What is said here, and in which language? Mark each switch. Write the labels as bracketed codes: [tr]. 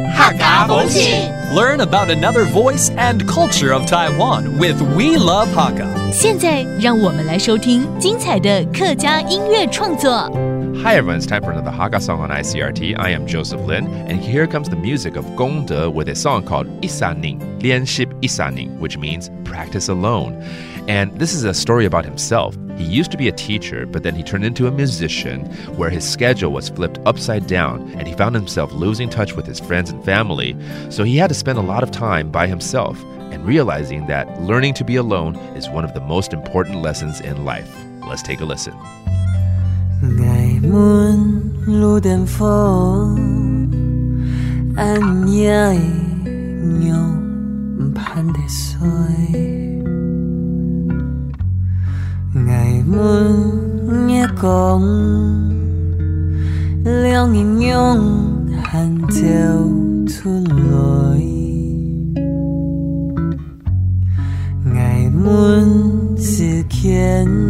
[en] Learn about another voice and culture of Taiwan with We Love Hakka. [zh] 现在让我们来收听精彩的客家音乐创作。 [en] Hi everyone, it's time for another Hakka song on ICRT. I am Joseph Lin, and here comes the music of 龔德 with a song called 一三零练习一三零 which means practice alone. And this is a story about himself. He used to be a teacher, but then he turned into a musician where his schedule was flipped upside down, and he found himself losing touch with his friends and family. So he had to spend a lot of time by himself and realizing that learning to be alone is one of the most important lessons in life. Let's take a listen. 爱门路灯火暗夜的阳盼的水爱门夜光亮的阳寒照出来爱门是天